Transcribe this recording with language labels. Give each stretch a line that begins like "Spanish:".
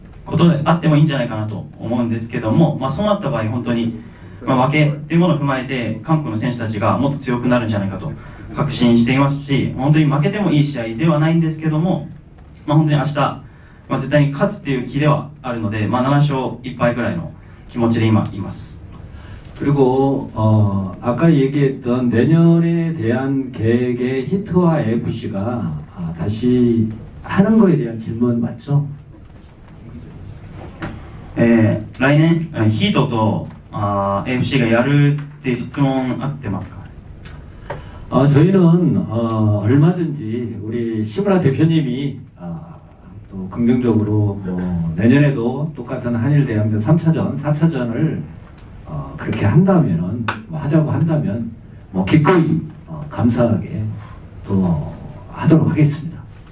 Japanese: あ、ことであってもいいんじゃないかなと思うんですけども、まあ、そうなった場合本当に、まあ、負けというものを踏まえて韓国の選手たちがもっと強くなるんじゃないかと確信していますし本当に負けてもいい試合ではないんですけども、まあ、本当に明日、まあ、絶対に勝つという気ではあるので、まあ、7勝1敗ぐらいの気持ちで今います
Korean: 그리고아까얘기했던내년에대한계획의히트와 FC 가다시하는거에대한질문맞죠
Japanese: 来年ヒートと FC 가やるって質問あってますか
Korean: 저희는얼마든지우리시무라대표님이또긍정적으로뭐내년에도똑같은한일대항전3차전4차전을그렇게한다면은하자고한다면뭐기꺼이감사하게또하도록하겠습니다